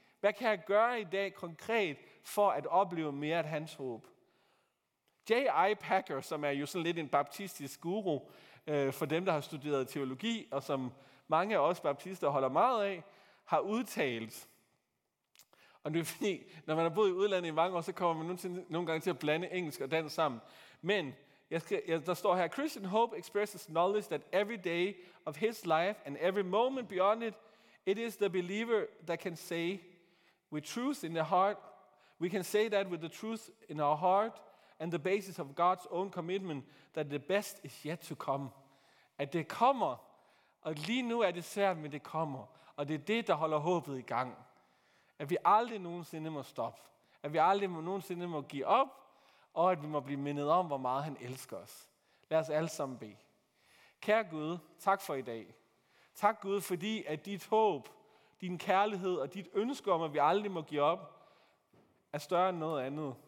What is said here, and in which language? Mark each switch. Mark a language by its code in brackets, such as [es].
[da] Hvad kan jeg gøre i dag konkret for at opleve mere af hans håb? J.I. Packer, som er jo sådan lidt en baptistisk guru, for dem, der har studeret teologi, og som mange af os baptister holder meget af, har udtalt. Og det er fordi, når man har boet i udlandet i mange år, så kommer man nogle gange til at blande engelsk og dansk sammen. Men der står her, [en] Christian hope expresses knowledge that every day of his life and every moment beyond it, it is the believer that can say with truth in the heart, we can say that with the truth in our heart and the basis of God's own commitment that the best is yet to come. [da] At det kommer. Og lige nu er det svært, men det kommer. Og det er det, der holder håbet i gang. At vi aldrig nogensinde må stoppe. At vi aldrig nogensinde må give op. Og at vi må blive mindet om, hvor meget han elsker os. Lad os alle sammen bede. Kære Gud, tak for i dag. Tak Gud, fordi at dit håb, din kærlighed og dit ønske om, at vi aldrig må give op, er større end noget andet.